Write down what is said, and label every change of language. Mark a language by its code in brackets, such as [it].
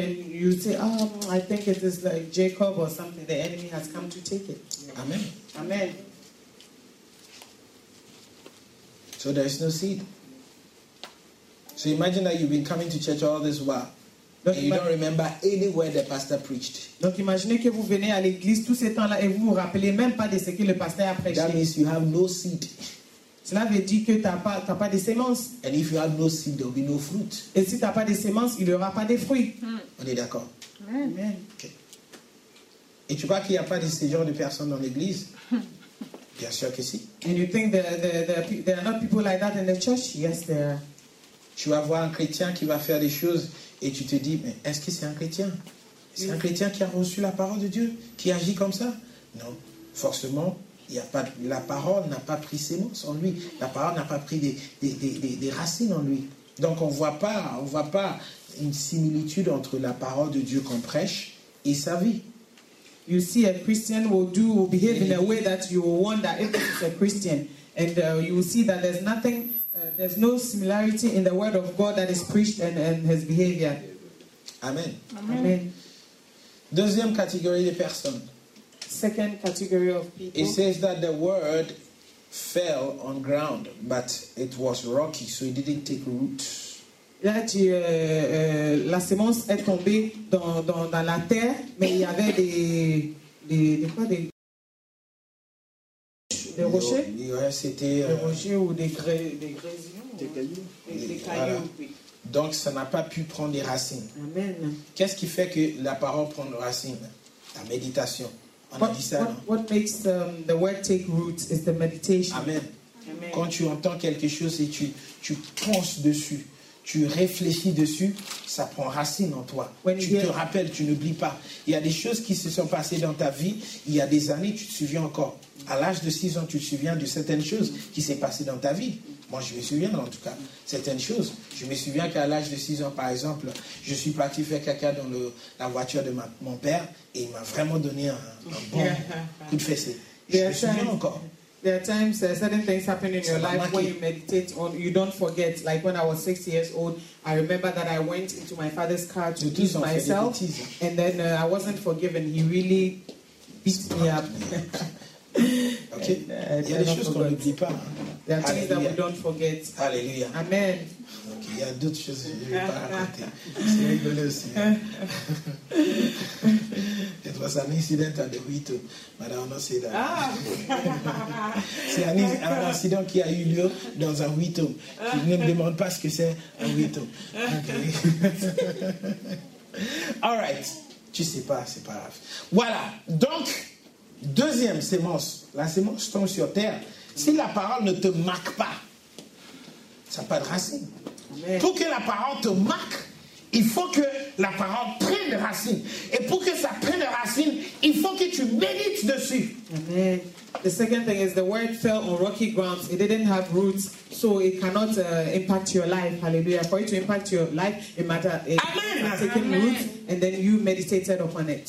[en] And you say, I think it is like Jacob or something. The enemy has come to take it. Amen. Amen. So there is no seed. So imagine that you've been coming to church all this while. And you don't remember anywhere the pastor preached. [fr] Donc imaginez que vous venez à l'église tout ce temps-là et vous vous rappelez même pas de ce que le pasteur a prêché. [en] That means you have no seed. [fr] Cela veut dire que t'as pas de semences. [en] And if you have no seed, there'll be no fruit. [fr] Et si t'as pas de semences, il y aura pas de fruits. Mm. On est d'accord. [en] Amen. [fr] Okay. Et tu crois qu'il y a pas de ce genre de personnes dans l'église? Bien sûr que si. [en] And you think there are not people like that in the church? Yes, there are. [fr] Tu vas voir un chrétien qui va faire des choses et tu te dis, mais est-ce que c'est un chrétien? C'est un chrétien qui a reçu la parole de Dieu, qui agit comme ça? Non, forcément, il y a pas, la parole n'a pas pris ses mots en lui. La parole n'a pas pris des racines en lui. Donc on voit pas une similitude entre la parole de Dieu qu'on prêche et sa vie. [en] You see, a Christian will behave in a way that you will wonder if it's a Christian. And you will see that there's nothing... There's no similarity in the word of God that is preached and his behavior. Amen. Amen. Amen. [fr] Deuxième catégorie de personnes. [en] Second category of people. It says that the word fell on ground, but it was rocky, so it didn't take root. [fr] Là, la semence est tombée dans la terre, mais il y avait des des rochers, ouais, c'était des rochers ou des cailloux. Voilà. Donc ça n'a pas pu prendre des racines. [en] Amen. [fr] Qu'est-ce qui fait que la parole prend des racines? La méditation. [en] What makes the word take root is the meditation. Amen. Amen. [fr] Quand tu entends quelque chose et tu penses dessus, tu réfléchis dessus, ça prend racine en toi. Te rappelles, tu n'oublies pas. Il y a des choses qui se sont passées dans ta vie, il y a des années, tu te souviens encore. À l'âge de 6 ans, tu te souviens de certaines choses qui s'est passées dans ta vie. Moi, je me souviens, en tout cas, certaines choses. Je me souviens qu'à l'âge de 6 ans, par exemple, je suis parti faire caca dans la voiture de mon père et il m'a vraiment donné un bon coup de fessée. Je me souviens encore. [en] There are times certain things happen in your life when you meditate on, you don't forget. Like when I was 6 years old, I remember that I went into my father's car to beat myself, and then I wasn't forgiven. He really beat me up. Okay. And, there are things that we don't forget. Hallelujah. Amen. Okay. [fr] Il y a d'autres choses que je vais pas raconter. C'est rigolo aussi. [en] It was an incident at the Wito, but I will not say that. [fr] C'est un incident qui a eu lieu dans un Wito. Tu ne me demandes pas ce que c'est un Wito. [en] Okay. All right. [fr] Tu sais pas, c'est pas grave. Voilà. Donc, deuxième sémence. La sémence tombe sur terre. Si la parole ne te marque pas, ça n'a pas de racine. [en] Amen. [fr] Pour que la parole te marque, il faut que la parole prenne racine. Et pour que ça prenne racine, il faut que tu médites dessus. [en] Amen. The second thing is the word fell on rocky grounds. It didn't have roots, so it cannot impact your life. Hallelujah. For it to impact your life, it matters. Amen. It taken root, and then you meditated upon it.